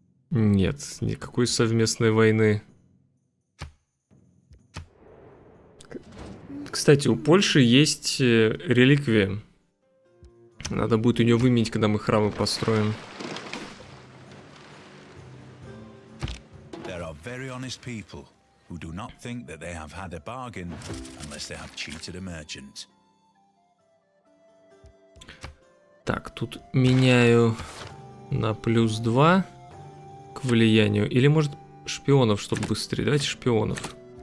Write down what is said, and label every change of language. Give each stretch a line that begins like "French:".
Russian: Нет, никакой совместной войны. Кстати, у Польши есть реликвия. Надо будет у нее выменить, когда мы храмы построим.
English: There are very honest people who do not think that they have had a bargain unless they have cheated a merchant.
Russian: Так, тут меняю на плюс 2 к влиянию. Или может шпионов, чтобы быстрее. Давайте шпионов.